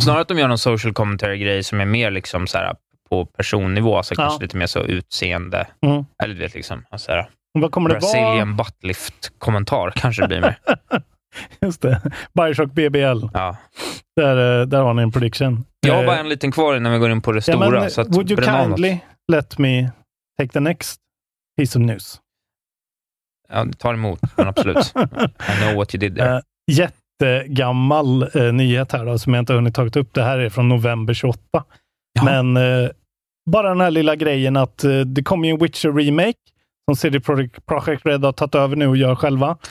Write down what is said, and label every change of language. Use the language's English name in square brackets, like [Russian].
[Swedish] Snarare att de gör någon social commentary-grej som är mer liksom så här på personnivå, alltså kanske lite mer så utseende. Mm. Eller du vet liksom. Alltså, vad kommer det vara? Brazilian buttlift-kommentar kanske det blir mer. Just det. Bioshock BBL. Ja. Där har ni en prediction. Jag har bara en liten kvar innan vi går in på det stora. Ja, men, så att [English] would you kindly let me take the next piece of news? [Swedish] Ja, ta emot, men absolut. [English] I know what you did there. [Swedish] Jättegammal nyhet här då, som jag inte har hunnit tagit upp. Det här är från november 28. Ja. Men bara den här lilla grejen att det kommer ju en Witcher remake som CD Projekt Red har tagit över nu och gör själva.